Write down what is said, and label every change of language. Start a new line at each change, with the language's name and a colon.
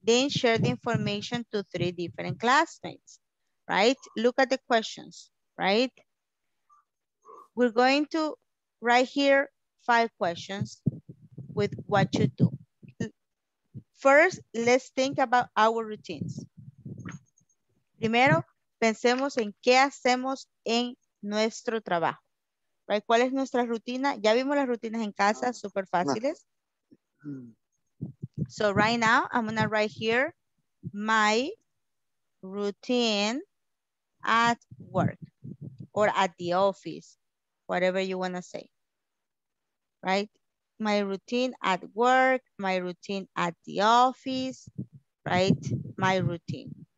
English: Then share the information to 3 different classmates, right? Look at the questions, right? We're going to write here 5 questions with what you do. First, let's think about our routines.
Spanish: Primero, pensemos en qué hacemos en nuestro trabajo.
English: Right?
Spanish: ¿Cuál es nuestra rutina? Ya vimos las rutinas en casa, súper fáciles.
English: So right now, I'm going to write here my routine at work or at the office, whatever you want to say. Right? My routine at work, my routine at the office, right? My routine.